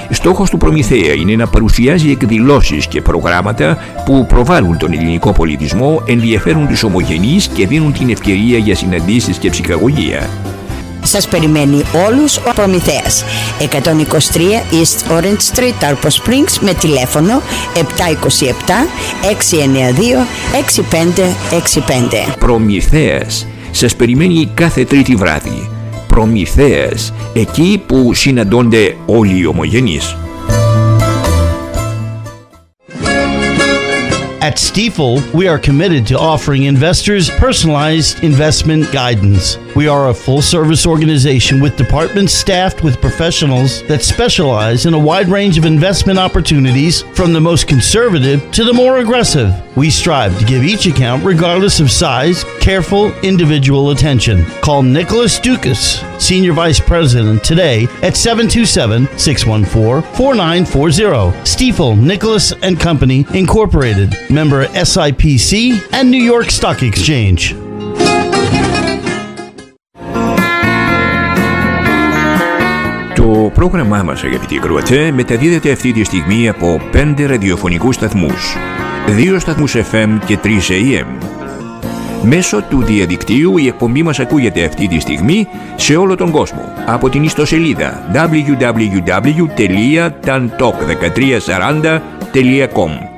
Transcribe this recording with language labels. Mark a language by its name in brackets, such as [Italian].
[Greek] Στόχος του Προμηθέα είναι να παρουσιάζει εκδηλώσεις και προγράμματα που προβάλλουν τον ελληνικό πολιτισμό, ενδιαφέρουν τους ομογενείς και δίνουν την ευκαιρία για συναντήσεις και ψυχαγωγία. Σας περιμένει όλους ο Προμηθέας. 123 East Orange Street, Tarpon Springs, με τηλέφωνο 727-692-6565. Προμηθέας. Σας περιμένει κάθε Τρίτη βράδυ. Προμηθέας. Εκεί που συναντώνται όλοι οι ομογενείς. [English] At Stifel, we are committed to offering investors personalized investment guidance. We are a full-service organization with departments staffed with professionals that specialize in a wide range of investment opportunities, from the most conservative to the more aggressive. We strive to give each account, regardless of size, careful individual attention. Call Nicholas Dukas, Senior Vice President, today at 727-614-4940. Stifel, Nicholas and Company, Incorporated. Member SIPC and New York Stock Exchange. [Greek] Το πρόγραμμά μας, αγαπητοί ακροατέ, μεταδίδεται αυτή τη στιγμή από 5 ραδιοφωνικούς σταθμούς, 2 σταθμούς FM και 3 AM. Μέσω του διαδικτύου η εκπομπή μας ακούγεται αυτή τη στιγμή σε όλο τον κόσμο από την ιστοσελίδα www.tantalk1340.com.